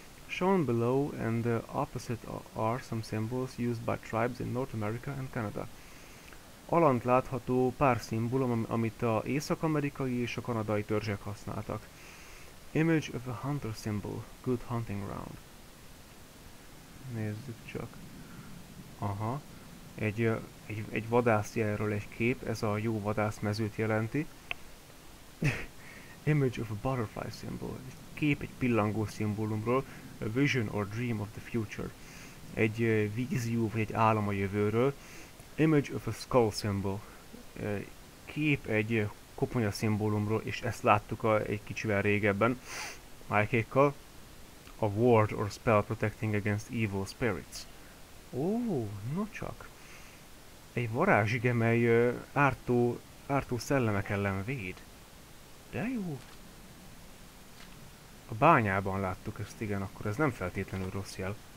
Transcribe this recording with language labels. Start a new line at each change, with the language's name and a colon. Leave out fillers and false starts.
English: Shown below and opposite are some symbols used by tribes in North America and Canada.
Hungarian: Alant látható pár szimbólum, amit a észak-amerikai és a kanadai törzsek használtak.
English: Image of a hunter symbol, good hunting ground.
Hungarian: Nézzük csak. Aha. Egy vadászjelről egy kép, ez a jó vadászmezőt jelenti.
English: Image of a butterfly symbol.
Hungarian: Egy kép egy pillangó szimbólumról.
English: A vision or dream of the future.
Hungarian: Egy vízió vagy egy álom a jövőről.
English: Image of a skull symbol.
Hungarian: Kép egy koponya szimbólumról, és ezt láttuk egy kicsivel régebben. Májkékkal.
English: A ward or spell protecting against evil spirits.
Hungarian: Ó, nocsak. Egy varázsige, mely ártó szellemek ellen véd. De jó. A bányában láttuk ezt, igen, akkor ez nem feltétlenül rossz jel.